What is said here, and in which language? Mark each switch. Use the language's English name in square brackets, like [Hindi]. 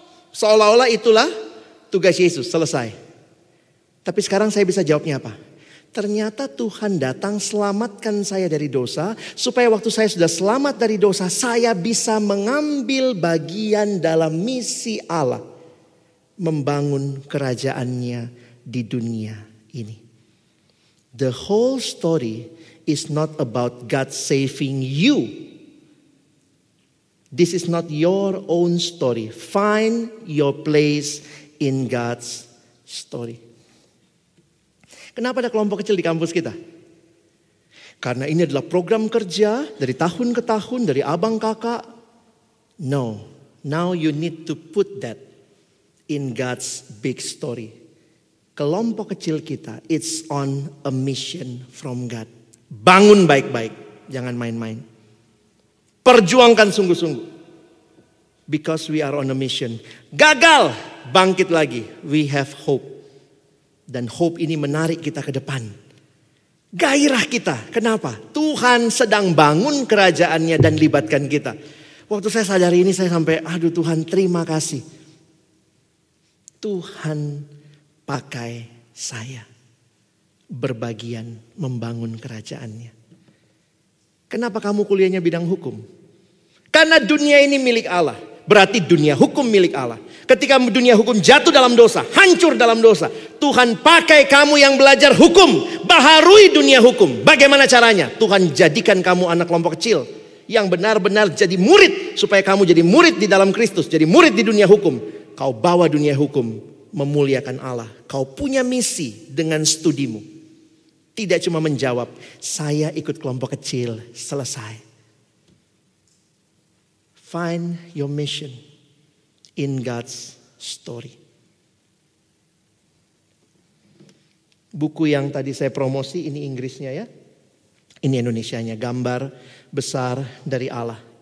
[Indonesian] Seolah-olah itulah tugas Yesus, selesai. Tapi sekarang saya bisa jawabnya apa? Ternyata Tuhan datang selamatkan saya dari dosa. Supaya waktu saya sudah selamat dari dosa, saya bisa mengambil bagian dalam misi Allah. Membangun kerajaannya di dunia ini. [English] The whole story is not about God saving you. This is not your own story. Find your place in God's story. [Indonesian] Kenapa ada kelompok kecil di kampus kita? Karena ini adalah program kerja dari tahun ke tahun, dari abang kakak. [English] No, now you need to put that in God's big story. [Indonesian] Kelompok kecil kita, [English] it's on a mission from God. [Indonesian] Bangun baik-baik, jangan main-main. Perjuangkan sungguh-sungguh. [English] Because we are on a mission. [Indonesian] Gagal, bangkit lagi. [English] We have hope. [Indonesian] Dan hope ini menarik kita ke depan. Gairah kita, kenapa? Tuhan sedang bangun kerajaannya dan libatkan kita. Waktu saya sadari ini, saya sampai, aduh Tuhan, terima kasih. Tuhan pakai saya berbagian membangun kerajaannya. Kenapa kamu kuliahnya bidang hukum? Karena dunia ini milik Allah. Berarti dunia hukum milik Allah. Ketika dunia hukum jatuh dalam dosa, hancur dalam dosa, Tuhan pakai kamu yang belajar hukum, baharui dunia hukum. Bagaimana caranya? Tuhan jadikan kamu anak kelompok kecil yang benar-benar jadi murid, supaya kamu jadi murid di dalam Kristus, jadi murid di dunia hukum. Kau bawa dunia hukum memuliakan Allah. Kau punya misi dengan studimu. Tidak cuma menjawab, saya ikut kelompok kecil, selesai. [English] Find your mission in God's story. [Indonesian] Buku yang tadi saya promosi, ini Inggrisnya ya. Ini Indonesianya, gambar besar dari Allah.